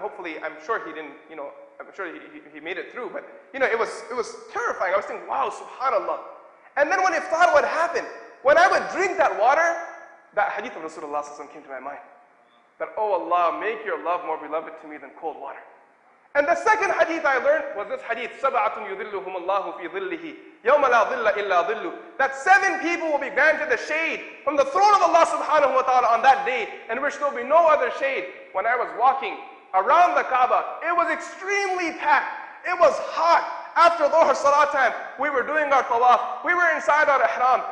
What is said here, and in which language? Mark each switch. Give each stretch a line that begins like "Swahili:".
English: Hopefully, I'm sure he didn't, you know, I'm sure he made it through. But, you know, it was terrifying. I was thinking, wow, subhanAllah. And then when iftar would happen, when I would drink that water, that hadith of Rasulullah came to my mind. That, oh Allah, make your love more beloved to me than cold water. And the second hadith I learned was this hadith,
Arabic: سَبْعَةٌ يُذِلُّهُمُ اللَّهُ فِي ظِلِّهِ يَوْمَ لَا ظِلَّ إِلَّا ظِلُّ.
English: That 7 people will be granted the shade from the throne of Allah subhanahu wa ta'ala on that day, in which there will be no other shade. When I was walking around the Kaaba, it was extremely packed. It was hot. After Dhuhr Salah time, we were doing our tawaf. We were inside our ihram.